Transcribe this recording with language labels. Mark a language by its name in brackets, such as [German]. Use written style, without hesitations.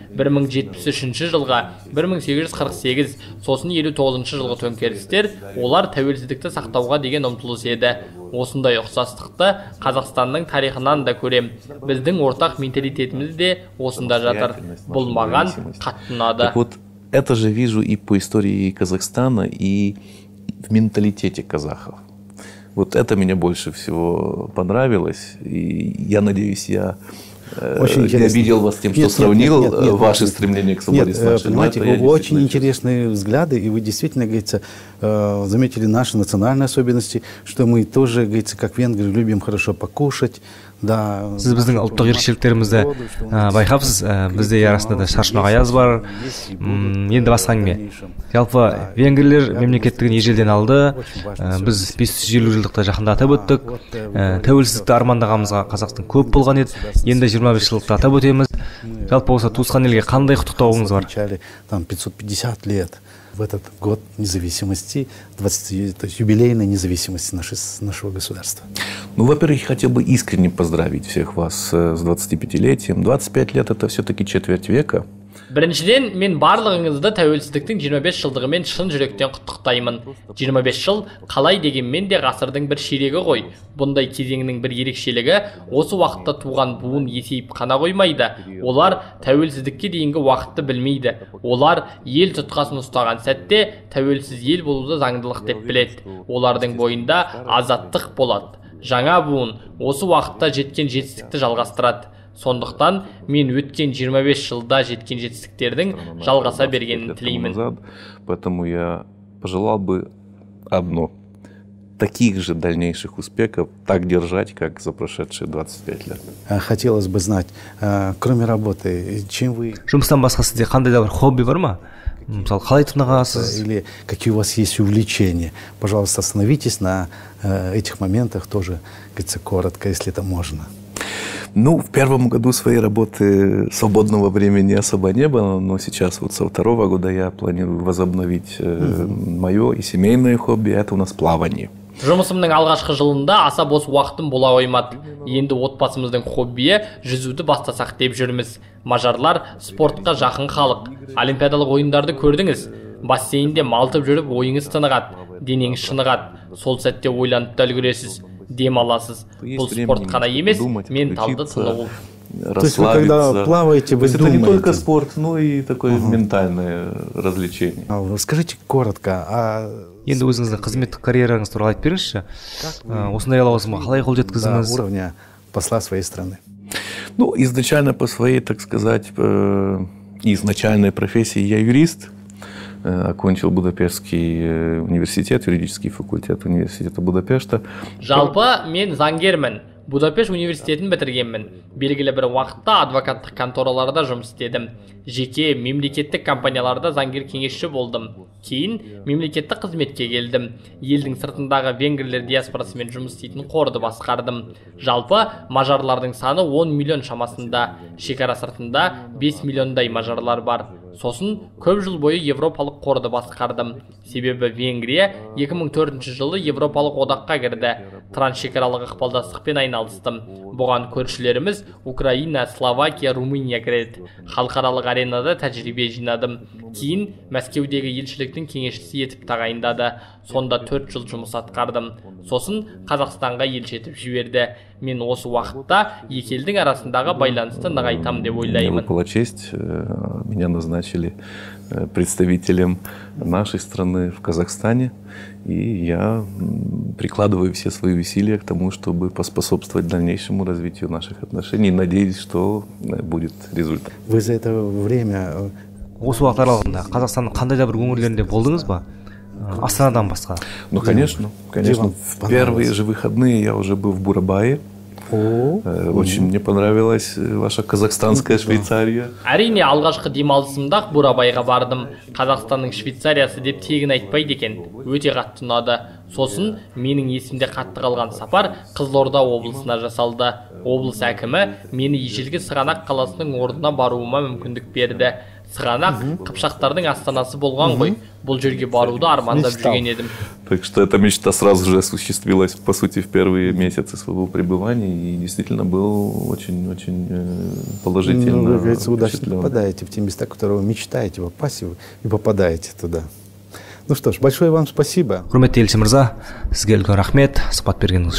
[Kazakh] 1073 жылға, 1848, сосын 59 жылғы төңкерістер олар тәуелсіздікті сақтауға деген ұмтылыс еді. осындай ұқсастықты Қазақстанның тарихынан да көрем. Біздің ортақ менталитетіміз де осында жатыр. Бұл маған қатты ұнады. [Russian] Так вот, это же вижу и по истории Казахстана, и в менталитете казахов. Вот это мне больше всего понравилось, и я надеюсь, я не обидел вас тем, что сравнил ваши стремления к свободе с вашими. Понимаете, очень интересные взгляды, и вы действительно, говорится, заметили наши национальные особенности, что мы тоже, говорится, как венгры, любим хорошо покушать. Да. [Kazakh] Сіз біздің ұлттық ерекшеліктерімізді байқапсыз, бізде арасында да шаршынақ аяз бар. Енді басқа әңгіме. Жалпы венгерлер мемлекеттігін ежелден алды. Біз 550 жылдықты жақында атап өттік. Тәуелсіздікті армандағанымызға Қазақстан көп болған еді. Енді 25 жылдықты атап өтеміз. Жалпы болса туысқан елге қандай құттықтауыңыз бар? [Russian] Там 550 лет в этот год независимости, 20-й юбилейной независимости нашего государства. Ну, во-первых, хотел бы искренне поздравить всех вас с 25-летием. 25 лет – это все-таки четверть века. [Kazakh] Біріншіден, мен барлығыңызды тәуелсіздіктің 25 жылдығымен шын жүректен құттықтаймын. 25 жыл қалай дегенмен де ғасырдың бір ширегі ғой. Бұндай кезеңнің бір ерекшелігі осы уақытта туған буын есейіп қана қоймайды. Олар тәуелсіздікке дейінгі уақытты білмейді. Олар ел тұтқасын ұстаған сәтте тәуелсіз ел болуды заңдылық деп біледі. Олардың бойында азаттық болады. Жаңа буын осы уақытта жеткен жетістікті жалғастырады. Сондықтан мен өткен 25 жылда жеткен жетістіктердің жалғаса бергенін тілеймін. [Russian] Поэтому я пожелал бы одно таких же дальнейших успехов, так держать, как за прошедшие 25 лет. Хотелось бы знать, кроме работы, чем вы? [Kazakh] Жұмыстан басқа сізде қандай да бір хобби бар ма? Мысалы, қалай тынығасыз? [Russian] Или какие у вас есть увлечения? Пожалуйста, остановитесь на этих моментах тоже, говорится, коротко, если это можно. Ну, в первом году своей работы свободного времени особо не было, но сейчас вот со второго года я планирую возобновить мое и семейное хобби, это у нас плавание. [Kazakh] Жұмысымның алғашқы жылында аса бос уақытым бола қоймады. Енді отбасымыздың хоббиі жүзуді бастасақ деп жүрміз. Мажарлар спортқа жақын халық. Олимпиадалық ойындарды көрдіңіз. Бассейнде малтып жүріп ойыңыз тынығады, денеңіз шынығады. Сол сәтте ойланып та үлгересіз. Демаласыз. Бұл спорт қана емес, менталды тынығу. [Russian] То есть вы когда плаваете, вы думаете. Это не только спорт, но и такое ментальное развлечение. Скажите коротко. [Kazakh] Енді өзіңіздің қызметтік карьераңыз туралы айтып беріңізші. Осындай лауазымға қалай қол жеткіздіңіз? [Russian] Уровня посла своей страны. Ну, изначально по своей, так сказать, изначальной профессии я юрист. Окончил Будапештский университет, юридический факультет университета Будапешта. [Kazakh] Жалпы, мен заңгермін. Будапешт университетін бітіргенмін. Белгілі бір уақытта адвокаттық контораларда жұмыс істедім. Жеке мемлекеттік компанияларда заңгер кеңесші болдым. Кейін мемлекеттік қызметке келдім. Елдің сыртындағы венгерлер диаспорасымен жұмыс істейтін қорды басқардым. Жалпы мажарлардың саны 10 миллион шамасында. Шекара сыртында 5 миллиондай мажарлар бар. Сосын көп жыл бойы европалық қорды басқардым. Себебі Венгрия 2004 жылы европалық одаққа кірді. Трансшекаралық ықпалдастықпен айналыстым. Бұған көршілеріміз Украина, Словакия, Румыния кіреді. Халықаралық аренада тәжірибе жинадым. Кейін Мәскеудегі елшіліктің кеңесшісі етіп тағайындады. Сонда 4 жыл жұмыс атқардым. Сосын Қазақстанға елші етіп жіберді. Мен осы уақытта екі елдің арасындағы байланысты нығайтам деп ойлаймын. [Russian] Мне выпала честь, меня назначили представителем нашей страны в Казахстане. И я прикладываю все свои усилия к тому, чтобы поспособствовать дальнейшему развитию наших отношений. Надеюсь, что будет результат. Вы за это время... [Kazakh] Осы уақыт аралығында Қазақстанның қандай да бір өңірлерінде болдыңыз ба? Астанадан басқа. [Russian] Ну, конечно, конечно. В первые же выходные я уже был в Бурабае. Очень мне понравилась ваша казахстанская Швейцария. [Kazakh] Әрине, алғашқы демалысымда Бурабайға бардым. Қазақстанның Швейцариясы деп тегін айтпайды екен. Өте қатты ұнады. Сосын менің есімде қатты қалған сапар Қызылорда облысына жасалды. Облыс әкімі мені ежелгі Сығанақ қаласының орнына баруыма мүмкіндік берді. Сығанақ қыпшақтардың астанасы болған ғой. Бұл жерге баруды армандап жүрген едім. [Russian] Так что эта мечта сразу же осуществилась, по сути, в первые месяцы своего пребывания. И действительно был очень-очень положительно. Ну, вы, говорится, удачно попадаете в те места, которые вы мечтаете попасть, и попадаете туда. Ну что ж, большое вам спасибо. [Kazakh] Құрметті елші мырза, сізге үлкен рахмет, сұхбат бергеніңіз